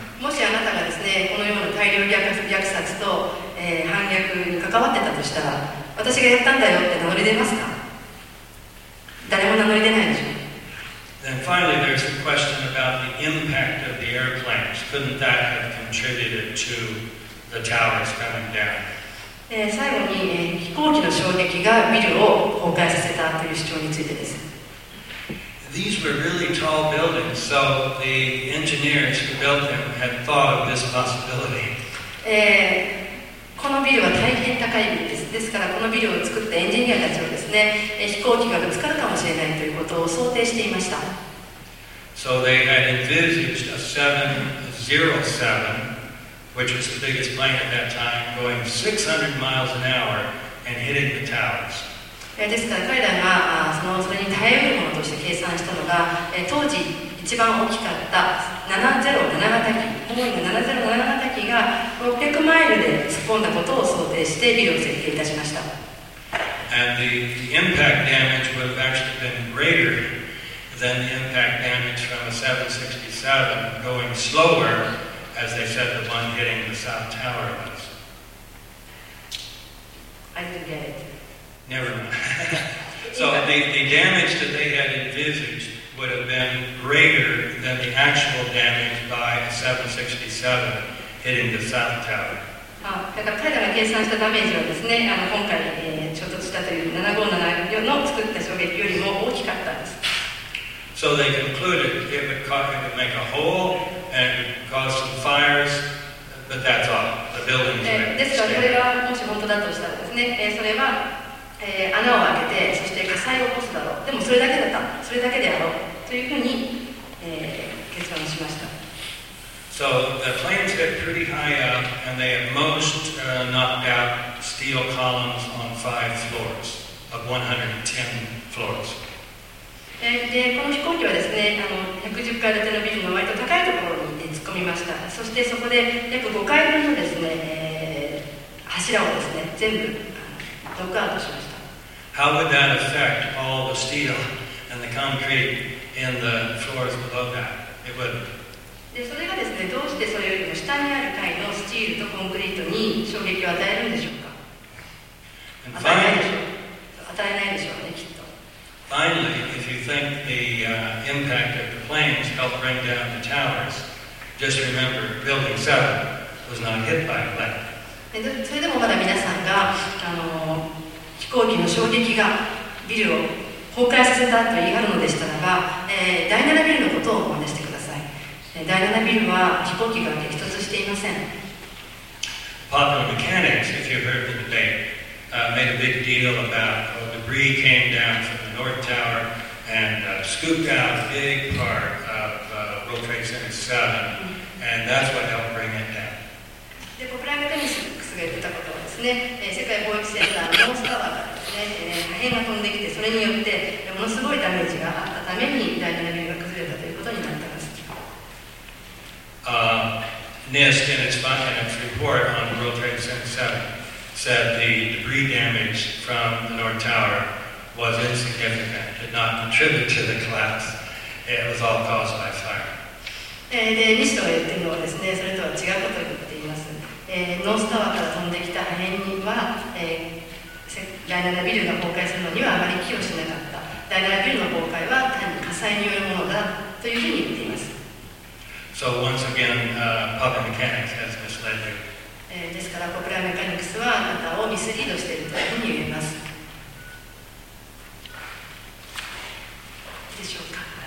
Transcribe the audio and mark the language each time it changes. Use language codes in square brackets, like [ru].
[ja] もしあなたがですね、このような大量虐殺と、反逆に関わってたとしたら、私がやったんだよって名乗り出ますか？誰も名乗り出ないでしょ。 [en] Then finally, there's the question about the impact of the airplanes. Couldn't that have contributed to the towers coming down? [ja] 最後に、飛行機の衝撃がビルを崩壊させたという主張についてです。 [en] These were really tall buildings, so the engineers who built them had thought of this possibility. [ja] このビルは大変高いビルです。ですからこのビルを作ったエンジニアたちはですね、飛行機がぶつかるかもしれないということを想定していました。 [en] So they had envisaged a 707, which was the biggest plane at that time, going 600 miles an hour and hitting the towers. [ja] ですから彼らが それに耐えうるものとして計算したのが、当時一番大きかった707型機が600マイルで突っ込んだことを想定してビルを設計いたしました。 [en] And the impact damage would have actually been greater than the impact damage from a 767 going slower, as they said, the one hitting the South Tower was. I didn't get it. Never mind. So the damage that they had envisaged would have been greater than the actual damage by a 767 hitting the South Tower. [ja] だから彼らが計算したダメージはですね、今回、衝突したという757の作った衝撃よりも大きかったんです。 [en] So they concluded it would make a hole and cause some fires, but that's all. The buildings are empty. [ja] ですからこれがもし本当だとしたらですね、それは穴を開けて、そして火災を起こすだろう。でもそれだけだった。それだけであろう。というふうに、決断しました。 [en] So the planes get pretty high up and they have most knocked out steel columns on 5 floors of 110 floors. [ja] でこの飛行機はですね、110階建てのビルの割と高いところに突っ込みました。そしてそこで約5階分のですね、柱をですね、全部ドックアウトしました。 [en] How would that affect all the steel and the concrete in the floors below that? It wouldn't. [ja] でそれがですね、どうしてそれよりも下にある階のスチールとコンクリートに衝撃を与えるんでしょうか？与えないでしょうね、きっと。 [en] Finally, if you think the impact of the planes helped bring down the towers, just remember, Building 7 was not hit by a plane. [ja] それでもまだ皆さんが飛行機の衝撃がビルを崩壊させたと言い張るのでしたらば、第7ビルのことを真似してください。第7ビルは飛行機が激突していません。 [en] Popular mechanics, if you heard the debate, made a big deal about how debris came down from the North Tower and scooped out a big part of World Trade Center 7, and that's what helped bring it down. [ja] で、ポプライメテニスが言ったことはですね、世界貿易センターのノースタワーがですね、破片が飛んできて、それによってものすごいダメージがあったために大事なビルが崩れたということになっています。 [en] NIST in its report on World Trade Center 7 said the debris damage from the North Tower was insignificant, did not contribute to the collapse. It was all caused by fire. [ja] で、NIST が言っているのはですね、それとは違うことを言っています。ノースタワーから飛んできた破片には、第7ビルが崩壊するのにはあまり寄与しなかった。第7ビルの崩壊は単に火災によるものだというふうに言っています。 [en] So once again, Popular Mechanics has misled you. [ja] ですから、ポプラメカニクスはあなたをミスリードしているというふうに言えます。でしょうか。